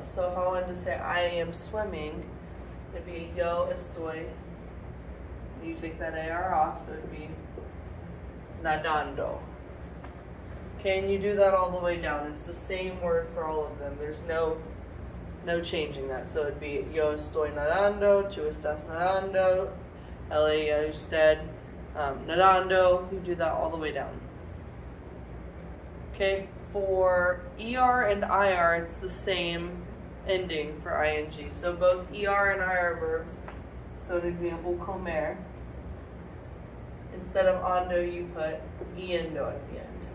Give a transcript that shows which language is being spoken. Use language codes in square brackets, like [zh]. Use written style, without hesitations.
[en] So if I wanted to say I am swimming, it'd be [es] yo estoy. [en] You take that AR off, so it'd be nadando. Okay, and you do that all the way down. It's the same word for all of them. There's no changing that. So it'd be [es] yo estoy nadando, tú estás nadando, él y usted nadando. [en] You do that all the way down. Okay, for ER and IR, it's the same ending for ING. So both ER and IR verbs. So an example, comer. Instead of ando, you put yendo at the end.